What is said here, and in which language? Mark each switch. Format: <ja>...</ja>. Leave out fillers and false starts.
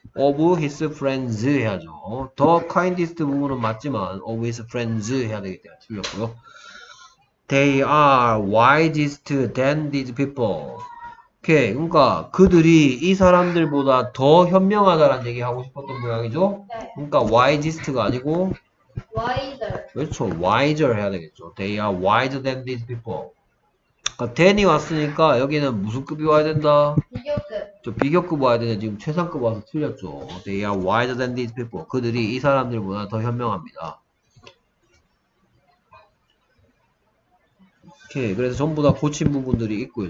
<en>Of his friends</en> <ko>해야죠.</ko> <en>The kindest</en> <ko>부분은 맞지만</ko> <en>of his friends</en> <ko>해야 되기 때문에 틀렸고요.</ko> <en>They are wisest than these people. 오케이.</en> <ko>그러니까 그들이 이 사람들보다 더 현명하다라는 얘기 하고 싶었던 모양이죠. 그러니까 wisest가 아니고</ko> <en>wiser.</en> <ko>그렇죠.</ko> <en>wiser</en> <ko>해야 되겠죠.</ko> <en>They are wiser than these people.</en> <ko>댄이 왔으니까 여기는 무슨 급이 와야 된다? 비교급. 저 비교급 와야 되는데 지금 최상급 와서 틀렸죠.</ko> <en>They are wiser than these people.</en> <ko>그들이 이 사람들보다 더 현명합니다. 오케이. 그래서 전부 다 고친 부분들이 있고요.</ko>